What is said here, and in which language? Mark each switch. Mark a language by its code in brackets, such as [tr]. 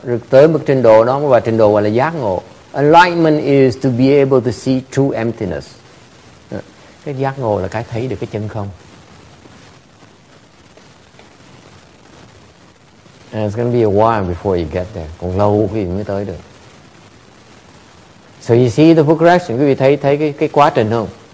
[vi] Tới mức trình độ đó và trình độ gọi là giác ngộ. [en] Enlightenment is to be able to see true emptiness. [vi] Cái giác ngộ là cái thấy được cái chân không. [en] And it's going to be a while before you get there. [vi] Còn lâu quý vị mới tới được. [en] So you see the progression. [vi] Quý vị thấy cái quá trình không?